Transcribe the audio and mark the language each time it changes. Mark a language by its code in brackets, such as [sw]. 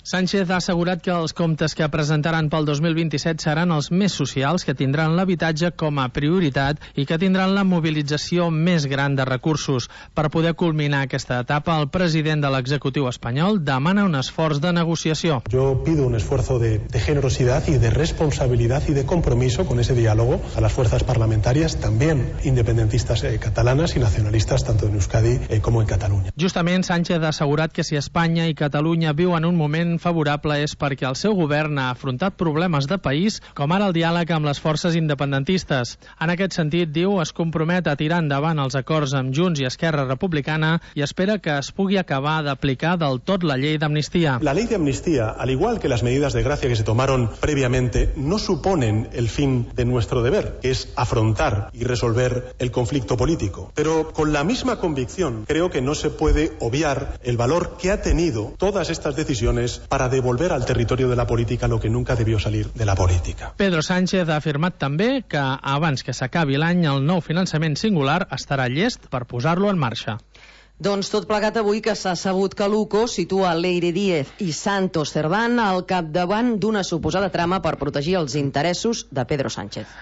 [ca] Sánchez ha assegurat que els comptes que presentaran pel 2027 seran els més socials, que tindran l'habitatge com a prioritat i que tindran la mobilització més gran de recursos. Per poder culminar aquesta etapa, el president de l'executiu espanyol demana un esforç de negociació. [es] Yo pido un esfuerzo de generosidad y de responsabilidad y de compromiso con ese diálogo a las fuerzas parlamentarias, también independentistas catalanas y nacionalistas, tanto en Euskadi como en Cataluña. [ca] Justament, Sánchez ha assegurat que si Espanya i Catalunya viu en un moment favorable és perquè el seu govern ha afrontat problemes de país, com ara el diàleg amb les forces independentistes. En aquest sentit, diu, es compromet a tirar endavant els acords amb Junts i Esquerra Republicana i espera que es pugui acabar d'aplicar del tot la llei d'amnistia. La llei d'amnistia, [es] al igual que las medidas de gracia que se tomaron previamente, no suponen el fin de nuestro deber, que es afrontar y resolver el conflicto político. Pero con la misma convicción, creo que no se puede obviar el valor que ha tenido todas estas decisiones para devolver al territorio de la política lo que nunca debió salir de la política. [ca] Pedro Sánchez ha afirmat també que abans que s'acabi l'any el nou finançament singular estarà llest per posar-lo en marxa. Doncs tot plegat avui que s'ha sabut que l'UCO situa Leire Díez i Santos Cerdán al capdavant d'una suposada trama per protegir els interessos de Pedro Sánchez.